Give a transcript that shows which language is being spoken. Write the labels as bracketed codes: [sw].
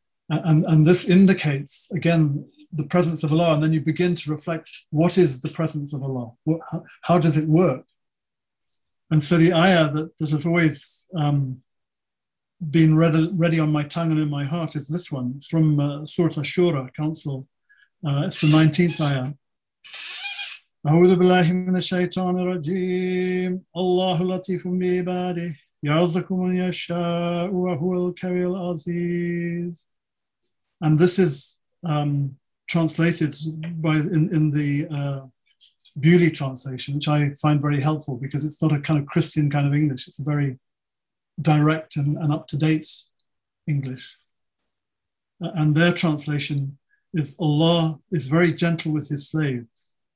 [en] And this indicates, again, the presence of Allah. And then you begin to reflect, what is the presence of Allah? How does it work? And so the ayah that has always been ready on my tongue and in my heart is this one. It's from Surah Ashura, Council. It's the 19th ayah. [ar] أعوذ بالله من الشيطان الرجيم الله لطيف بعباده يرزق من يشاء وهو الكريم العزيز. [en] And this is translated by in the Bewley translation, which I find very helpful because it's not a kind of Christian kind of English. It's a very direct and up-to-date English. And their translation is, Allah is very gentle with his slaves.